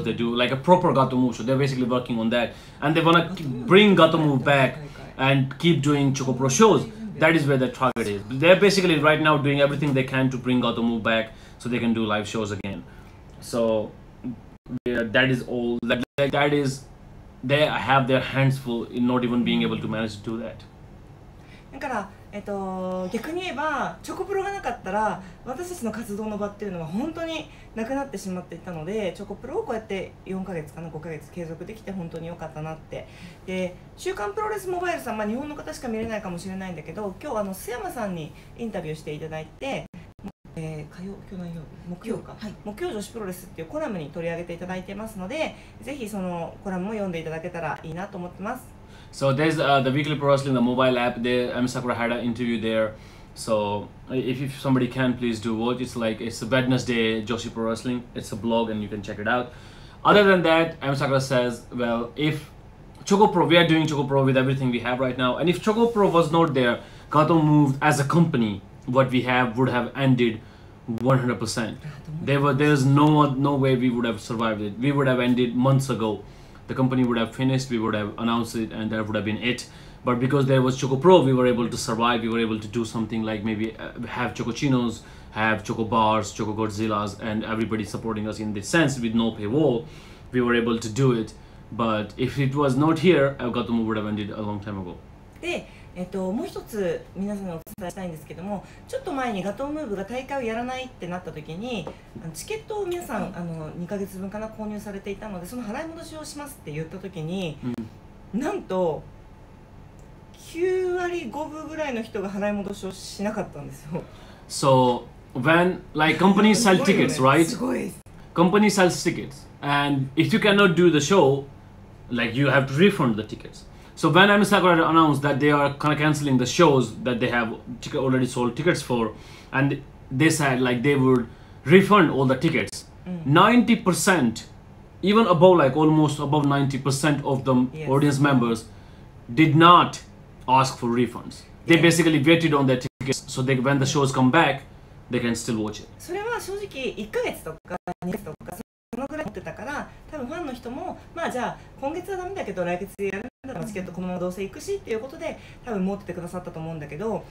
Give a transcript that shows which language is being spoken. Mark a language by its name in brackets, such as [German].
[English] Mm-hmm. They do like a proper Gautam Osho show. They're basically working on that, and they wanna bring Gautam Osho back and keep doing Choco Pro shows. That is where the target is. They're basically right now doing everything they can to bring Gautam Osho back so they can do live shows again. So yeah, that is all that is, they have their hands full in not even being able to manage to do that. [Japanese] だから、逆に言えばチョコプロがなかったら私たちの活動の場っていうのは本当になくなってしまっていたので、チョコプロをこうやって4ヶ月かな5ヶ月継続できて本当に良かったなって。で、週刊プロレスモバイルさん、まあ、日本の方しか見れないかもしれないんだけど、今日あの須山さんにインタビューしていただいて、木曜女子プロレスっていうコラムに取り上げていただいてますので、ぜひそのコラムも読んでいただけたらいいなと思ってます。 [English] So there's the weekly pro wrestling, the mobile app. There, Ami Sakura had an interview there. So if somebody can, please do watch. It's like it's a Wednesday, Joshi Pro Wrestling. It's a blog and you can check it out. Other than that, Ami Sakura says, well, if Choco Pro, we are doing Choco Pro with everything we have right now. And if Choco Pro was not there, Gautam moved as a company. What we have would have ended 100%. There's no way we would have survived it. We would have ended months ago. The company would have finished, we would have announced it, and that would have been it. But because there was Choco Pro, we were able to survive. We were able to do something like maybe have Choco Chinos, have Choco Bars, Choco Godzillas, and everybody supporting us in this sense with no paywall. We were able to do it. But if it was not here, Gautam Osho would have ended a long time ago. [Japanese] もう一つ皆さんにお伝えしたいんですけども、ちょっと前にガトームーブが大会をやらないってなった時に、あのチケットを皆さん、あの2ヶ月分かな購入されていたので、その払い戻しをしますって言った時に、うん、なんと9割5分ぐらいの人が払い戻しをしなかったんですよ。 [English] So when like companies sell tickets, right? [Japanese] すごい。 [English] Company sells tickets and if you cannot do the show, like you have to refund the tickets. So when MS Sakurada announced that they are kind of cancelling the shows that they have already sold tickets for, and they said like they would refund all the tickets, 90%, even above like almost above 90% of the audience members did not ask for refunds. They basically waited on their tickets so they, when the shows come back, they can still watch it. [Japanese] それは正直1ヶ月とか2ヶ月とかそのぐらい持ってたから、多分ファンの人もまあじゃあ今月はダメだけど来月でやる。チケットこのままどうせ行くしっていうことで多分持っててくださったと思うんだけど、